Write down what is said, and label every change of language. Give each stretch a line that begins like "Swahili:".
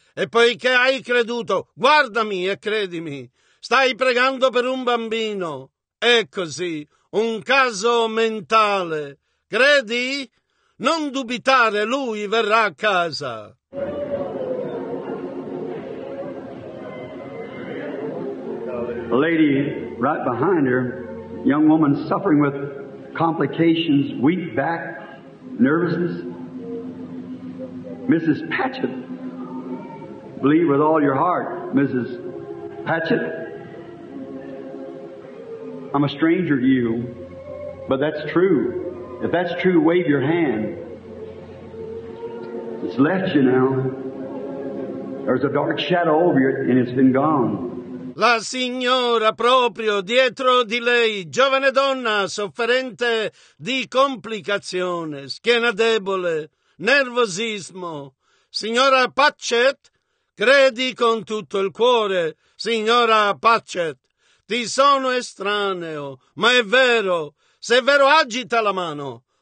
Italian: E poiché hai creduto, guardami e credimi. Stai pregando per un bambino. È così, un caso mentale. Credi? Non dubitare, lui verrà a casa.
English: A lady right behind her, young woman suffering with complications, weak back, nervousness. Mrs. Patchett, believe with all your heart, Mrs. Patchett. I'm a stranger to you, but that's true. If that's true, wave your hand. It's left you now. There's a dark shadow over you and it's been gone.
Italian: La signora proprio dietro di lei, giovane donna sofferente di complicazione, schiena debole, nervosismo. Signora Patchett, credi con tutto il cuore, signora Patchett, ti sono estraneo, ma è vero, se è vero agita la mano.